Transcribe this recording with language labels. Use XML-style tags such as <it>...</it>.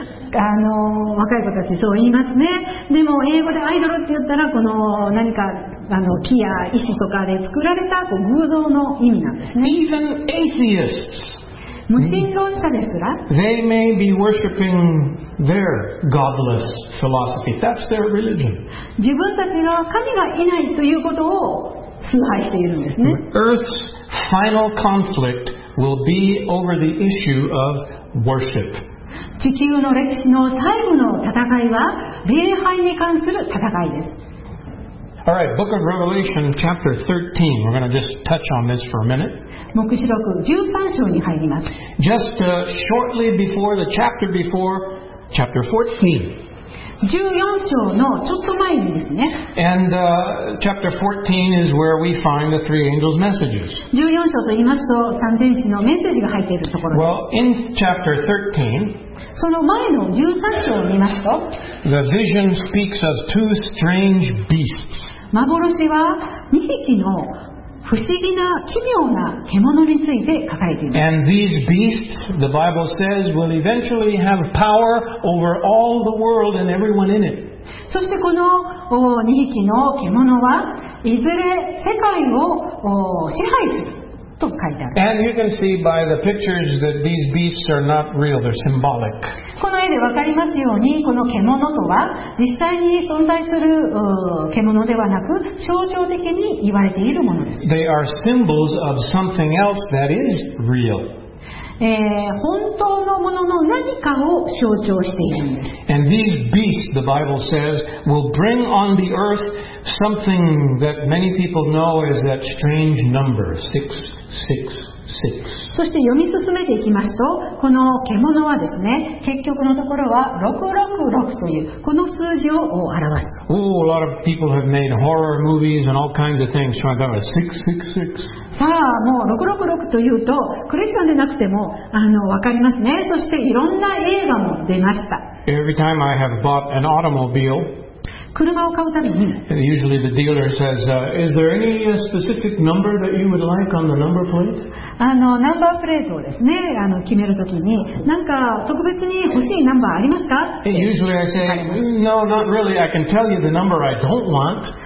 <ja>若い子たちそう言いますね。でも英語でアイドルって言ったらこの何かあの木や石とかで作られたこう偶像の意味なんですね。</ja> <en>Even atheists,</en> <ja>無神論者ですら、</ja> <en>they may be worshiping their godless philosophy. That's their religion.</en> <ja>自分たちの神がいないということを崇拝しているんですね。</ja> <en>Earth's final conflict will be over the issue of worship.</en> <ja>地球の歴史の最後の戦いは礼拝に関する戦いです。</ja> <en>All right, Book of Revelation, chapter 13. We're going to just touch on this for a minute.</en> <ja>黙示録13章に入ります。</ja> <en>Just shortly before the chapter before, chapter 14.</en> <ja>14章のちょっと前にですね。</ja> <en>And chapter 14 is where we find the three angels' messages.</en> <ja>14章と言いますと、三天使のメッセージが入っているところです。</ja> <en>Well, in chapter 13,</en> <ja>その前の13章を見ますと、</ja> <en>The vision speaks of two strange beasts.</en> <ja>幻は2匹の不思議な奇妙な獣について書かれています。</ja> <en>And these beasts, the Bible says, will eventually have power over all the world and everyone in it.</en> <ja>そしてこの2匹の獣はいずれ世界を支配する。</ja> <en>And you can see by the pictures that these beasts are not real, they're symbolic.</en> <ja>この絵で分かりますように、この獣とは実際に存在する獣ではなく、象徴的に言われているものです。</ja> <en>They are symbols of something else that is real.</en> <ja>本当のものの何かを象徴しているんです。</ja> <en>And these beasts, the Bible says, will bring on the earth something that many people know as that strange number, six. Six.</en> <ja>そして読み進めていきますと、この獣はですね、結局のところは666というこの数字を表す。</ja> <en>Oh, a lot of people have made horror movies and all kinds of things trying to have a 666.</en> <ja>さあ、もう666というとクリスチャンでなくてもわかりますね。そしていろんな映画も出ました。</ja> <en>Every time I have bought an automobile.</en> <ja>車を買うたびに、</ja> <en>usually the dealer says, is there any specific number that you would like on the number plate?</en> <ja>ナンバープレートをですね、決めるときに、なんか特別に欲しいナンバーありますか?</ja> <en>Usually I say, no, not really. I can tell you the number I don't want.</en>